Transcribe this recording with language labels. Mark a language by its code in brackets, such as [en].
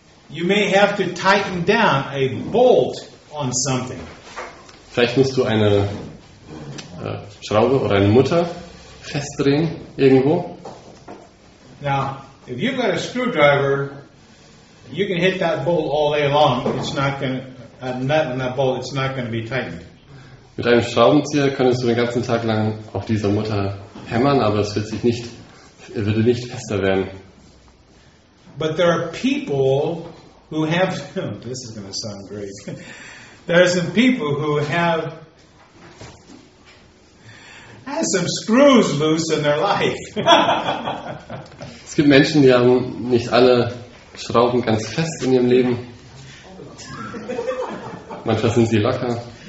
[en] You may have to tighten down a bolt on something. [de] Vielleicht musst du eine Schraube oder eine Mutter festdrehen irgendwo. [en] Now, if you've got a screwdriver, you can hit that bolt all day long. It's not going a nut on that bolt. It's not going to be tightened. [de] Mit einem Schraubenzieher könntest du den ganzen Tag lang auf dieser Mutter hämmern, aber es würde nicht fester werden. [en] But there are people who have. This is going to sound great. There are some people who have some screws loose in their life. [de] Es gibt Menschen, die haben nicht alle Schrauben ganz fest in ihrem Leben. Manchmal sind sie locker.